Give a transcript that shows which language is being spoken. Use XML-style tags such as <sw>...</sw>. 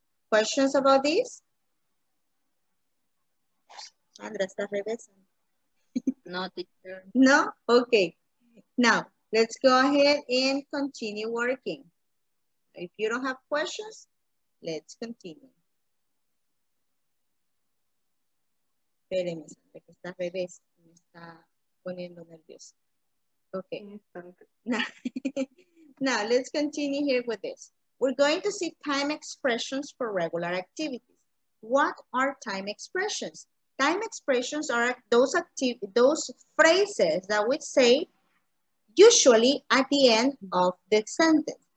<en>Questions about this?</en> <es>Sandra, está regresando.</es> <en>No, teacher. No? Okay. Now, let's go ahead and continue working. If you don't have questions, let's continue.</en> <es>Espérenme, porque esta bebé me está poniendo nerviosa.</es> <en>Okay. Now, let's continue here with this. We're going to see time expressions for regular activities. What are time expressions? Time expressions are those phrases that we say usually at the end of the sentence.</en>